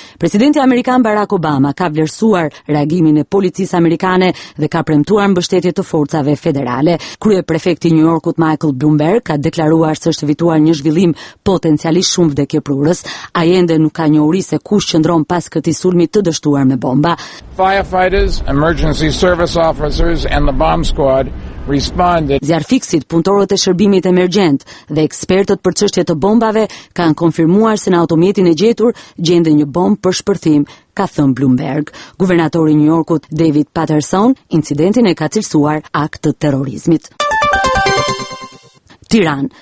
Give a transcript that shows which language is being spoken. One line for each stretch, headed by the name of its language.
Albanian: Presidenti amerikan Barack Obama ka vlerësuar reagimin e policisë amerikane dhe ka premtuar mbështetje të forcave federale. Kryeprefekti i New Yorkut Michael Bloomberg ka deklaruar se është evituar një zhvillim potencialisht shumë vdekjeprurës. Ai ende nuk ka njohuri se kush qëndron pas këtij sulmi të dështuar me bomba.
English: Firefighters, emergency service officers and the bomb squad responded.
Albanian: Zjarfiksit, punëtorët e shërbimit emergjent dhe ekspertët për çështjet e bombave kanë konfirmuar se në automjetin e gjetur gjende një bombë për shpërthim, ka thënë Bloomberg. Guvernatori i New Yorkut David Paterson incidentin e ka cilësuar akt të terrorizmit. Tiranë.